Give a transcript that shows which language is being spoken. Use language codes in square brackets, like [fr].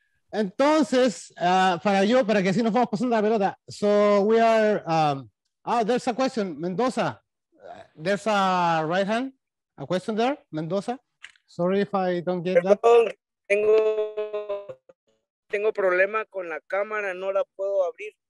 [es] Entonces, para que así nos vamos pasando la pelota. [en] So we are, there's a question, Mendoza. There's a right hand, a question there, Mendoza. Sorry if I don't get [es] Perdón, [en] that. [es] Tengo problema con la cámara, no la puedo abrir.